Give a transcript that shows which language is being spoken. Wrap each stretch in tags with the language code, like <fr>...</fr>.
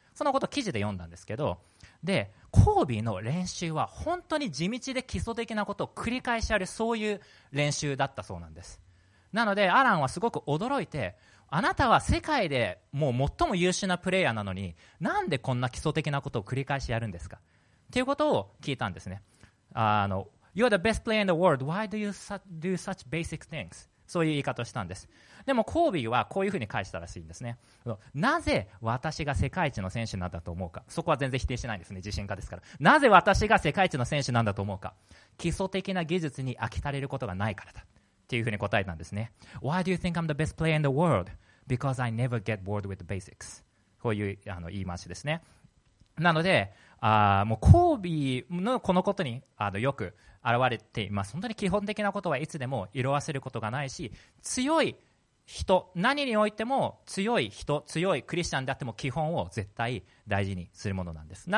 <ja>そのことを記事で読んだんですけど、でコービーの練習は本当に地道で基礎的なことを繰り返しやる、そういう練習だったそうなんです。なのでアランはすごく驚いて、あなたは世界でもう最も優秀なプレイヤーなのに、なんでこんな基礎的なことを繰り返しやるんですかっていうことを聞いたんですね。</ja> <en>You are the best player in the world. Why do you do such basic things?</en> <ja>そういう言い方をしたんです。でもコービーはこういうふうに返したらしいんですね。なぜ私が世界一の選手なんだと思うか。そこは全然否定しないんですね。自信家ですから。なぜ私が世界一の選手なんだと思うか。基礎的な技術に飽き足れることがないからだ。っていうふうに答えたんですね。</ja> <en>Why do you think I'm the best player in the world? Because I never get bored with the basics.</en> <ja>こういう言い回しですね。なので、もうコービーのこのことによく現れています。本当に基本的なことはいつでも色褪せることがないし、強い人、何においても強い人、強いクリスチャンであっても基本を絶対大事にするものなんです。</ja>